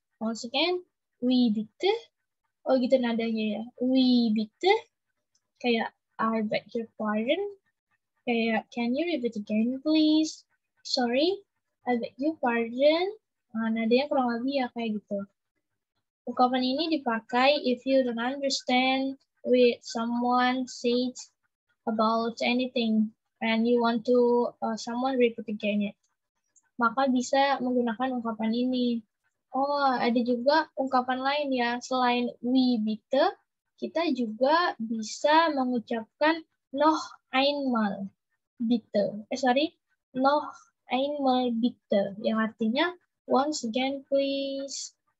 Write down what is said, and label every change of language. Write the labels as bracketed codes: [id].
[en] Once again, [de] we bitte. [id] Oh, gitu nadanya ya. [de] We bitte. [id] Kayak, [en] I beg your pardon. Kayak, can you repeat again, please? Sorry, I beg your pardon. [id] Nadanya kurang lebih ya, kayak gitu. Ungkapan ini dipakai [en] if you don't understand what someone said about anything and you want to someone repeat again it. [id] Maka bisa menggunakan ungkapan ini. Oh, ada juga ungkapan lain ya, selain we bitte, kita juga bisa mengucapkan [de] noch einmal bitte. Noch einmal bitte. [id] Yang artinya, [en] once again please.